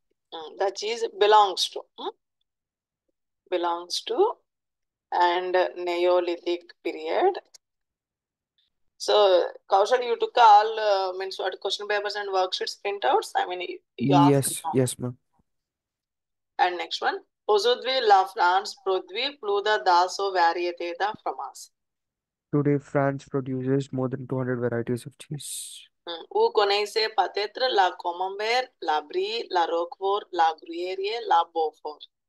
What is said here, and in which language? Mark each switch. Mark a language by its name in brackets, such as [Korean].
[English] The cheese belongs to. Belongs to and Neolithic period. So, Kaushal, you took all means what question papers and worksheets printouts. I mean, you asked Yes, now. ma'am. And next one. [French] Aujourd'hui, la France produit plus de 200 variétés de fromage. [English] Today, France produces more than 200 varieties of cheese. [French] Vous connaissez peut-être la Camembert, la Brie, la Roquefort, la Gruyère, la Beaufort.